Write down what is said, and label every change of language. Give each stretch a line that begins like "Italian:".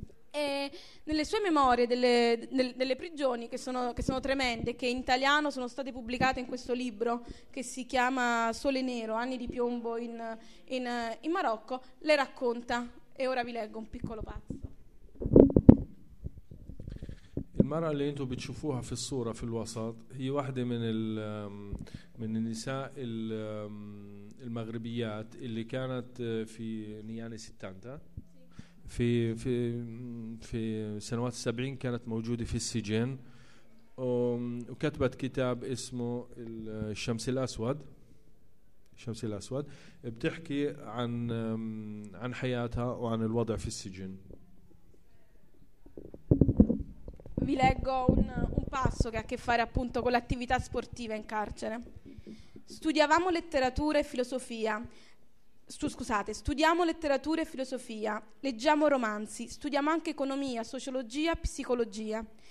Italian: E nelle sue memorie delle prigioni, che sono tremende, che in italiano sono state pubblicate in questo libro che si chiama Sole Nero, Anni di Piombo in Marocco, le racconta, e ora vi leggo un piccolo pezzo.
Arabic: Il mara che intu bitshufuha fi sura fi alwasat hi wahda min an-nisa al-maghribiyat illi kanat fi niyan al-60 في في في سنوات السبعين كانت موجودة في السجن وكتبت كتاب اسمه الشمس الأسود بتحكي عن حياتها وعن الوضع في السجن.
Italian: Vi leggo un passo che ha a che fare appunto con l'attività sportiva in carcere. Studiavamo letteratura e filosofia. Studiamo letteratura e filosofia, leggiamo romanzi, studiamo anche economia, sociologia, psicologia.